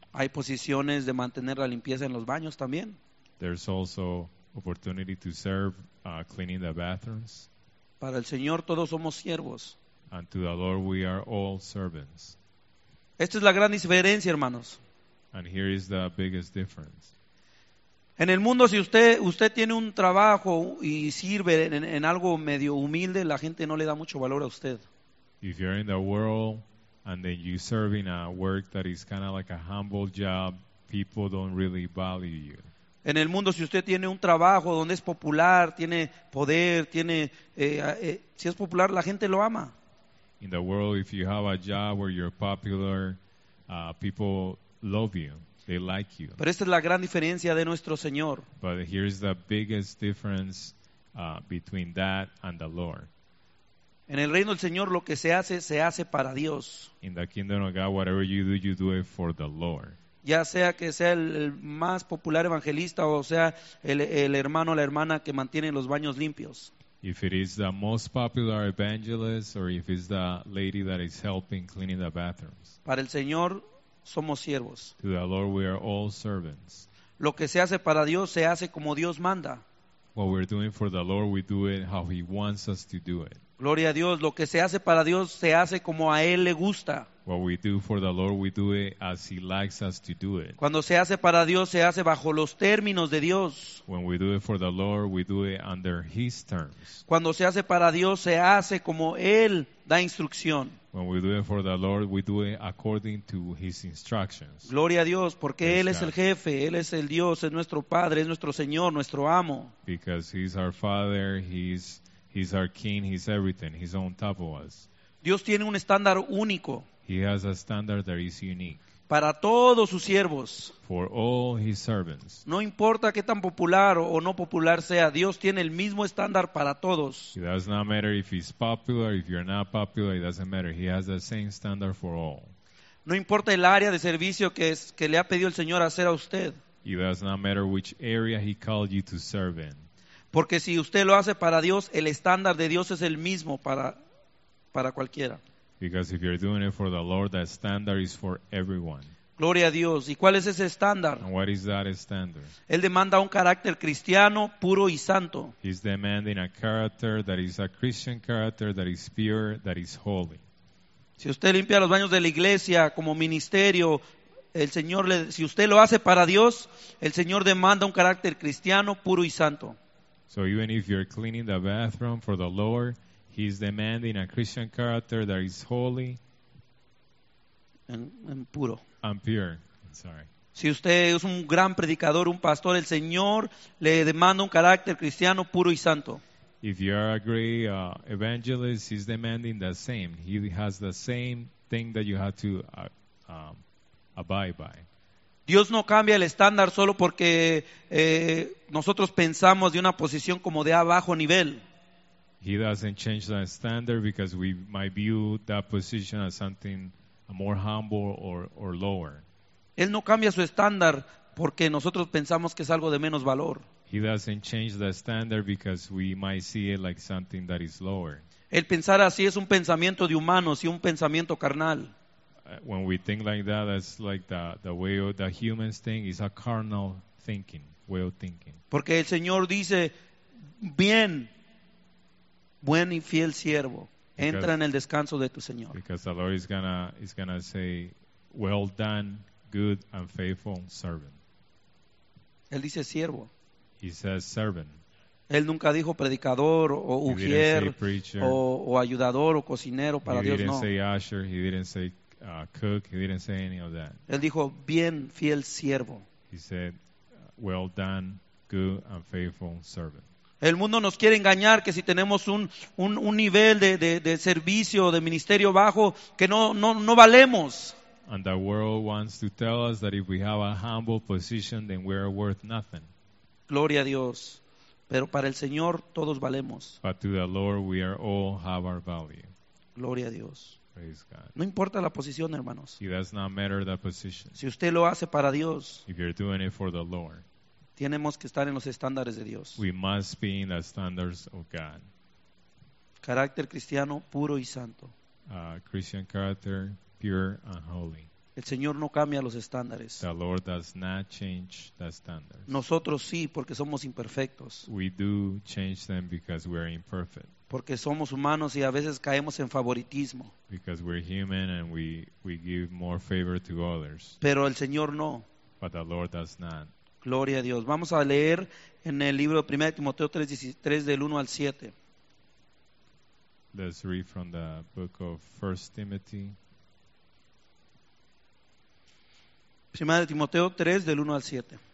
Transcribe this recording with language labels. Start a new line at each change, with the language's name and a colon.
Spanish: Hay posiciones de mantener la limpieza en los baños también.
English: There's also opportunity to serve cleaning the bathrooms.
Spanish: Para el Señor todos somos siervos.
English: And to the Lord we are all servants.
Spanish: Esta es la gran diferencia, hermanos.
English: And here is the biggest difference.
Spanish: En el mundo, si usted tiene un trabajo y sirve en algo medio humilde, la gente no le da mucho valor a usted.
English: If you're in the world and then you serve in a work that is kind of like a humble job, people don't really value you.
Spanish: En el mundo, si usted tiene un trabajo donde es popular, tiene poder, si es popular, la gente lo ama.
English: In the world, if you have a job where you're popular, people love you. They like you.
Spanish: Pero esta es la gran diferencia de nuestro Señor.
English: But here's the biggest difference between that and the Lord.
Spanish: En el reino del Señor lo que se hace para Dios.
English: In the kingdom of God, whatever you do it for the Lord.
Spanish: Ya sea que sea el más popular evangelista o sea el hermano o la hermana que mantiene los baños limpios.
English: If it is the most popular evangelist or if it's the lady that is helping cleaning the bathrooms.
Spanish: Para el Señor somos siervos.
English: To the Lord, we are all servants.
Spanish: Lo que se hace para Dios se hace como Dios manda.
English: What we're doing for the Lord, we do it how He wants us to do it.
Spanish: Gloria a Dios. Lo que se hace para Dios se hace como a Él le gusta.
English: What we do for the Lord, we do it as He likes us to do it.
Spanish: Cuando se hace para Dios, se hace bajo los términos de Dios.
English: When we do it for the Lord, we do it under His terms.
Spanish: Cuando se hace para Dios, se hace como Él da instrucción.
English: When we do it for the Lord, we do it according to His instructions.
Spanish: Gloria a Dios, porque Él es el jefe, Él es el Dios, es nuestro Padre, es nuestro Señor, nuestro amo.
English: Because He's our Father, He's our King, He's everything, He's on top of us.
Spanish: Dios tiene un estándar único.
English: He has a standard that is unique.
Spanish: Para todos sus siervos.
English: For all His servants.
Spanish: No importa qué tan popular o no popular sea, Dios tiene el mismo estándar para todos.
English: It does not matter if He's popular, if you're not popular, it doesn't matter. He has the same standard for all.
Spanish: No importa el área de servicio que le ha pedido el Señor hacer a usted.
English: It does not matter which area He called you to serve in.
Spanish: Porque si usted lo hace para Dios, el estándar de Dios es el mismo para cualquiera.
English: Because if you're doing it for the Lord, that standard is for everyone.
Spanish: Gloria a Dios. ¿Y cuál es ese estándar?
English: And what is that standard?
Spanish: Él demanda un carácter cristiano, puro y santo.
English: He's demanding a character that is a Christian character, that is pure, that is holy.
Spanish: Si usted limpia los baños de la iglesia como ministerio, el Señor le, si usted lo hace para Dios, el Señor demanda un carácter cristiano, puro y santo.
English: So even if you're cleaning the bathroom for the Lord, he's demanding a Christian character that is holy and puro. I'm pure. I'm sorry.
Spanish: Si usted es un gran predicador, un pastor, el Señor le demanda un carácter cristiano puro y santo.
English: If you are a great evangelist, he's demanding the same. He has the same thing that you have to abide by.
Spanish: Dios no cambia el estándar solo porque nosotros pensamos de una posición como de abajo nivel.
English: He doesn't change the standard because we might view that position as something more humble or lower.
Spanish: Él no cambia su estándar porque nosotros pensamos que es algo de menos valor.
English: He doesn't change the standard because we might see it like something that is lower.
Spanish: El pensar así es un pensamiento de humanos y un pensamiento carnal.
English: When we think like that, that's like the way of the humans think. It's a carnal thinking, way of thinking.
Spanish: Porque el Señor dice, bien, buen y fiel siervo, entra en el descanso de tu Señor.
English: Because the Lord is gonna say, well done, good and faithful servant.
Spanish: Él dice siervo.
English: He says servant.
Spanish: Él nunca dijo predicador o ujier o ayudador o cocinero para Dios, no.
English: He didn't say usher, he didn't say cook, he didn't say any of that.
Spanish: Él dijo, bien, fiel siervo.
English: He said, well done, good and faithful servant.
Spanish: El mundo nos quiere engañar que si tenemos un nivel de servicio, de ministerio bajo, que no valemos.
English: And the world wants to tell us that if we have a humble position, then we are worth nothing.
Spanish: Gloria a Dios. Pero para el Señor, todos valemos.
English: But to the Lord, we are all have our value.
Spanish: Gloria a Dios.
English: Praise God.
Spanish: No importa la posición, hermanos.
English: It does not matter the position.
Spanish: Si usted lo hace para Dios,
English: if you're doing it for the Lord,
Spanish: tenemos que estar en los estándares de Dios.
English: We must be in the standards of God.
Spanish: Carácter cristiano puro y santo.
English: Christian character, pure and holy.
Spanish: El Señor no cambia los estándares.
English: The Lord does not change the standards.
Spanish: Nosotros sí, porque somos imperfectos.
English: We do change them because we are imperfect.
Spanish: Porque somos humanos y a veces caemos en favoritismo.
English: Because we're human and we give more favor to others.
Spanish: Pero el Señor no.
English: But the Lord does not.
Spanish: Gloria a Dios. Vamos a leer en el libro de 1 Timoteo 3:13 del 1 al 7.
English: Let's read from the book of 1 Timothy.
Spanish: 1 Timoteo 3 del 1 al 7.